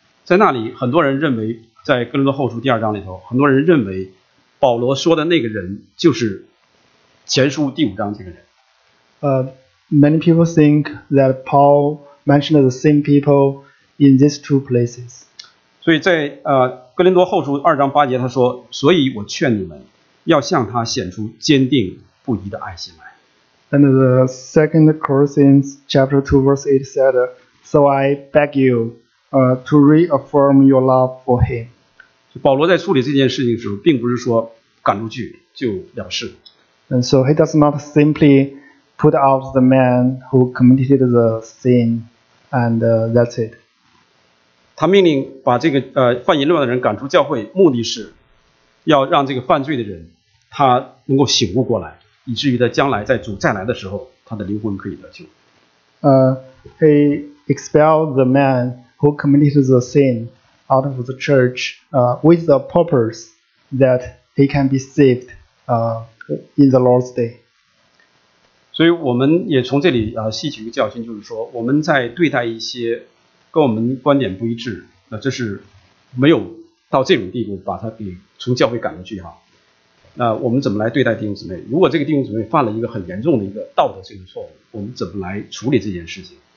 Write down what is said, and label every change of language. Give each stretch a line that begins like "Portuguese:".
Chinese: 在那里很多人认为，在哥林多后书第二章里头，很多人认为保罗说的那个人就是前书第五章这个人。
English: many people think that Paul mentioned the same people in these two places.
Chinese: 所以在哥林多后书二章八节他说，所以我劝你们要向他显出坚定不移的爱心来。
English: And the second Corinthians chapter 2 verse 8 said, So I beg youto reaffirm your love for him.
Chinese: 保罗在处理这件事情的时候并不是说赶出去就了事。
English: And so he does not simply put out the man who committed the sin and that's it.
Chinese: 他命令把这个犯淫乱的人赶出教会，目的是要让这个犯罪的人他能够醒悟过来，以至于他将来在主再来的时候他的灵魂可以得救。
English: He expelled the man who committed the sin out of the church with the purpose that he can be saved in the Lord's day.
Chinese: 所以我们也从这里吸取一个教训，就是说我们在对待一些跟我们观点不一致，那这是没有到这种地步把他给从教会赶出去哈。那我们怎么来对待弟兄姊妹？如果这个弟兄姊妹犯了一个很严重的一个道德性的错误，我们怎么来处理这件事情？